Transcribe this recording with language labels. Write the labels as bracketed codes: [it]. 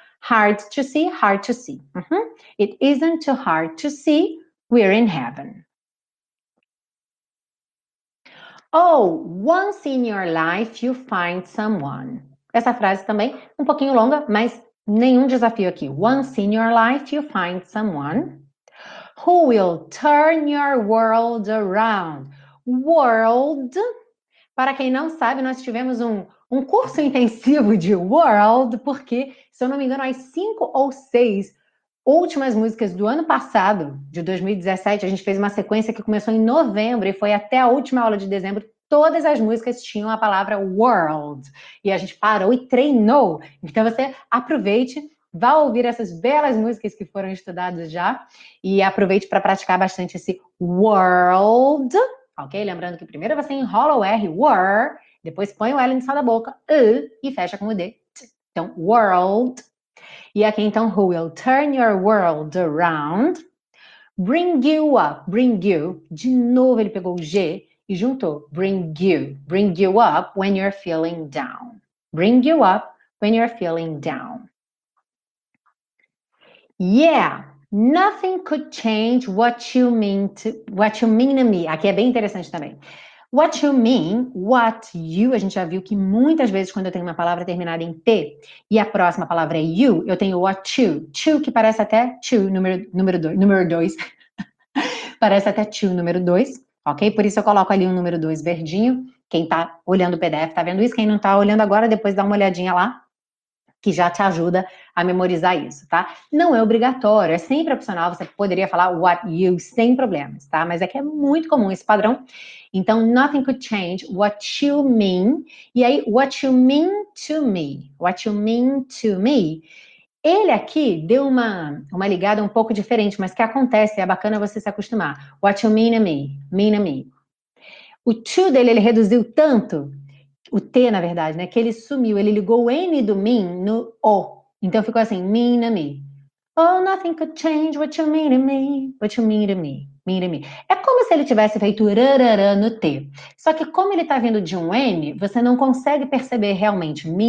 [en] Isn't too hard to see. It isn't too hard to see. We're in heaven. Oh, once in your life you find someone. [pt] Essa frase também, um pouquinho longa, mas nenhum desafio aqui. [en] Once in your life you find someone who will turn your world around. [pt] World, para quem não sabe, nós tivemos um curso intensivo de world, porque, se eu não me engano, as 5 ou 6 últimas músicas do ano passado, de 2017, a gente fez uma sequência que começou em novembro e foi até a última aula de dezembro. Todas as músicas tinham a palavra world. E a gente parou e treinou. Então, você aproveite, vá ouvir essas belas músicas que foram estudadas já. E aproveite para praticar bastante esse world. Ok? Lembrando que primeiro você enrola o R, were. Depois põe o L no céu da boca, e fecha com o D. [en] Então, world. [pt] E aqui, então, [en] who will turn your world around. Bring you up. Bring you. [pt] De novo, ele pegou o G. E juntou, [en] bring you up when you're feeling down. Bring you up when you're feeling down. Yeah, nothing could change what you mean to me. [pt] Aqui é bem interessante também. What you mean, what you, a gente já viu que muitas vezes quando eu tenho uma palavra terminada em T e a próxima palavra é you, eu tenho what you, two que parece até two, número dois. Parece até two, número dois. Ok? Por isso eu coloco ali o número 2 verdinho. Quem tá olhando o PDF tá vendo isso. Quem não tá olhando agora, depois dá uma olhadinha lá, que já te ajuda a memorizar isso, tá? Não é obrigatório, é sempre opcional. Você poderia falar what you sem problemas, tá? Mas é que é muito comum esse padrão. [en] Então, nothing could change what you mean. [pt] E aí, [en] what you mean to me. What you mean to me. [pt] Ele aqui deu uma ligada um pouco diferente, mas que acontece, é bacana você se acostumar. [en] What you mean to me? Mean to me. [pt] O to dele, ele reduziu tanto, o T, na verdade, né? Que ele sumiu, ele ligou o N do mean no O. Então, ficou assim, [en] mean to me. Oh, nothing could change what you mean to me. What you mean to me? Mean to me. [pt] É como se ele tivesse feito rararã no T. Só que como ele tá vindo de um N, você não consegue perceber realmente.